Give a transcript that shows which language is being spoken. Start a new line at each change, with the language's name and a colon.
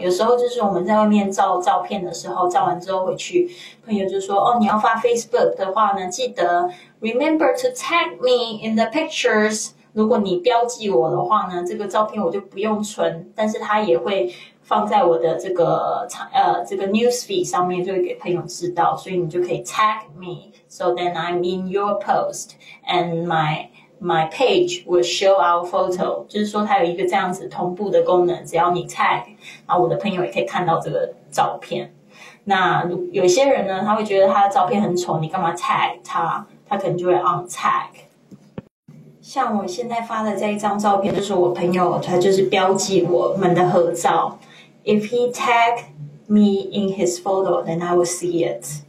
Chinese: 有时候就是我们在外面照照片的时候，照完之后回去，朋友就说：“哦，你要发 Facebook 的话呢，记得
English: remember to tag me in the pictures。”
Chinese: 如果你标记我的话呢，这个照片我就不用存，但是他也会放在我的这个news feed 上面，就会给朋友知道，所以你就可以 tag me。
English: So then I'm in your post and my page will show our photo。
Chinese: 就是说它有一个这样子同步的功能，只要你 tag， 然后我的朋友也可以看到这个照片。那有些人呢他会觉得他的照片很丑，你干嘛 tag 他，他可能就会 untag。像我现在发的这一张照片就是我朋友他就是标记我们的合照，
English: If he tag me in his photo then I will see it。